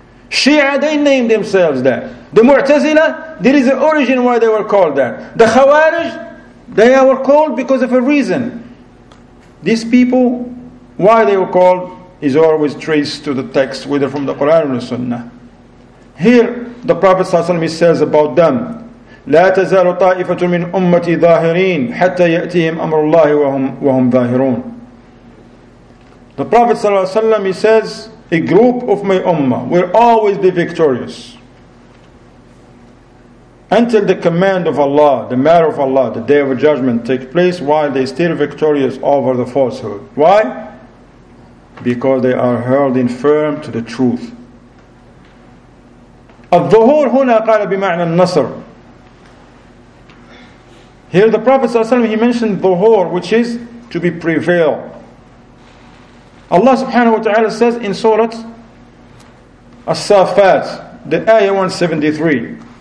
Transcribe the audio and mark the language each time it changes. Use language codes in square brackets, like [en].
[en] Shia, they named themselves that. The Mu'tazila, there is an origin why they were called that. The Khawarij, they were called because of a reason. These people, why they were called, is always traced to the text, whether from the Quran or the Sunnah. Here, the Prophet ﷺ says about them, [ar] لا تزال طائفة من أمتي ظاهرين حتى يأتيهم أمر الله وهم ظاهرون. [en] The Prophet ﷺ, he says, a group of my ummah will always be victorious until the command of Allah, the matter of Allah, the day of judgment take place, while they still victorious over the falsehood. Why? Because they are held in firm to the truth. [ar] الظهور هنا قال بمعنى النصر. [en] Here the Prophet ﷺ, he mentioned dhuhur, which is to be prevailed. Allah subhanahu wa ta'ala says in Surah As-Safat, the ayah 173.